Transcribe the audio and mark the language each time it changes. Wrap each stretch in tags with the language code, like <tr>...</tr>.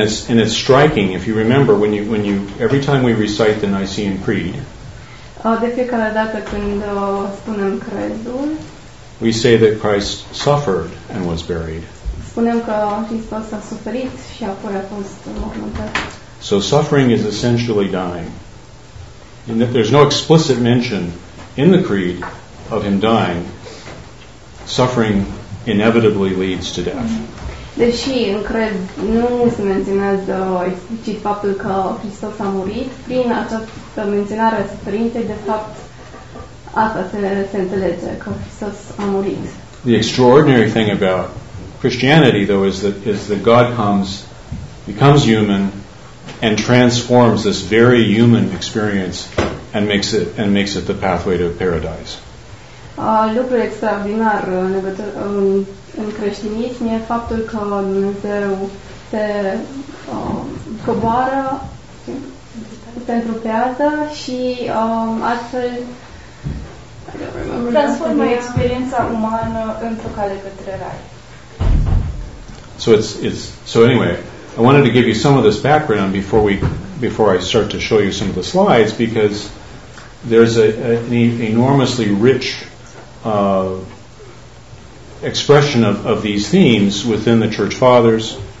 <en>And it's striking if you remember when you every time we recite the Nicene Creed.</en> <ro>De fiecare dată când spunem Crezul,</ro> <en>we say that Christ suffered and was buried.</en> <ro>Spunem că Hristos a suferit și apoi a fost mormântat.</ro> <en>So suffering is essentially dying. And that there's no explicit mention in the creed of him dying, suffering inevitably leads to death.</en> <ro>Deși în cred nu se menționează explicit faptul că Hristos a murit, prin această menționare a suferinței, de fapt, asta se înțelege, că Hristos a murit.</ro> <en>The extraordinary thing about Christianity, though, is that God comes, becomes human, and transforms this very human experience and makes it the pathway to paradise.</en> <ro>Lucru extraordinar în creștinism e faptul că Dumnezeu se coboară, se întrupează și astfel transformă experiența umană într-o cale către rai.</ro> <en>So anyway, I wanted to give you some of this background before I start to show you some of the slides, because there's an enormously rich expression of these themes within the Church Fathers.</en>